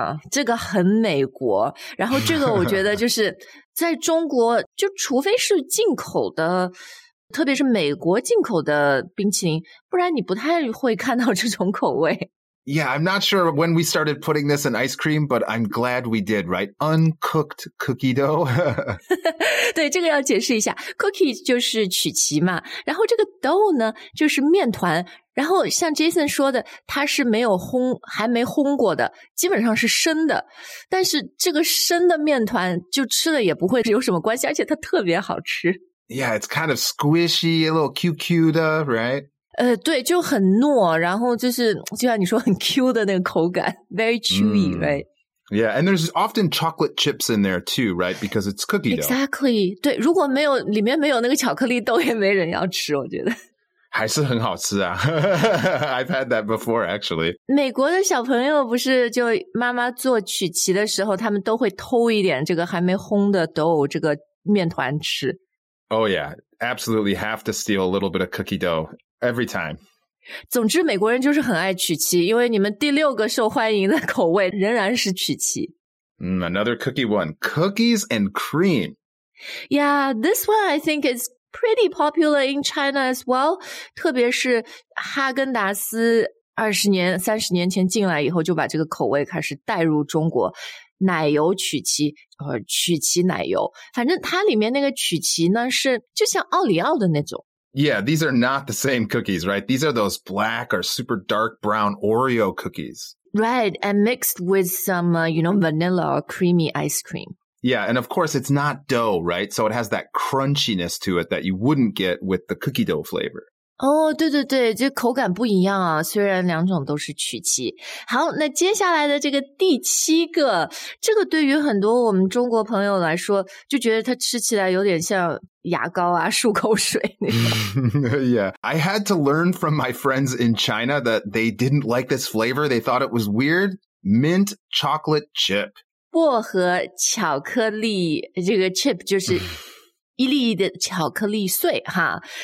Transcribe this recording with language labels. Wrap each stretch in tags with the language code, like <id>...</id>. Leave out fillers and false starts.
<zh>这个很美国，然后这个我觉得就是在中国，就除非是进口的。特别是美国进口的冰淇淋，不然你不太会看到这种口味。</zh> <en>Yeah, I'm not sure when we started putting this in ice cream, but I'm glad we did, right? Uncooked cookie dough.</en> <zh>对，这个要解释一下。Cookie 就是曲奇嘛，然后这个 dough 呢，就是面团。然后像 Jason 说的，它是没有烘，还没烘过的，基本上是生的。但是这个生的面团就吃了也不会有什么关系，而且它特别好吃。</zh> <en>Yeah, it's kind of squishy, a little</en> <zh>QQ 的,</zh> <en>right?</en> <zh>对，就很糯，然后就是，就像你说，很 Q 的那个口感，</zh> <en>very chewy, right? Yeah, and there's often chocolate chips in there too, right? Because it's cookie dough.</en> <zh>Exactly, 对，如果没有，里面没有那个巧克力豆，也没人要吃，我觉得。还是很好吃啊。</zh> <en>I've had that before, actually.</en> <zh>美国的小朋友不是就妈妈做曲奇的时候，他们都会偷一点这个还没烘的 dough, 这个面团吃。</zh> <en>Oh yeah, absolutely have to steal a little bit of cookie dough every time.</en> <zh>总之美国人就是很爱曲奇，因为你们第六个受欢迎的口味仍然是曲奇。</zh> <en>Another cookie one, cookies and cream. Yeah, this one I think is pretty popular in China as well.</en> <zh>特别是哈根达斯30年、30年前进来以后就把这个口味开始带入中国。奶油曲奇，曲奇奶油，反正它里面那个曲奇呢是就像奥利奥的那种。</zh> <en>Yeah, these are not the same cookies, right? These are those black or super dark brown Oreo cookies. Right, and mixed with some, vanilla or creamy ice cream. Yeah, and of course it's not dough, right? So it has that crunchiness to it that you wouldn't get with the cookie dough flavor.</en> <zh>Oh, 对对对，这口感不一样啊，虽然两种都是曲奇。好，那接下来的这个第七个，这个对于很多我们中国朋友来说，就觉得它吃起来有点像牙膏啊，漱口水那种。</zh> <en>Yeah, I had to learn from my friends in China that they didn't like this flavor. They thought it was weird. Mint chocolate chip.</en> <zh>薄荷巧克力，这个 chip 就是一粒一粒的巧克力碎哈。</zh>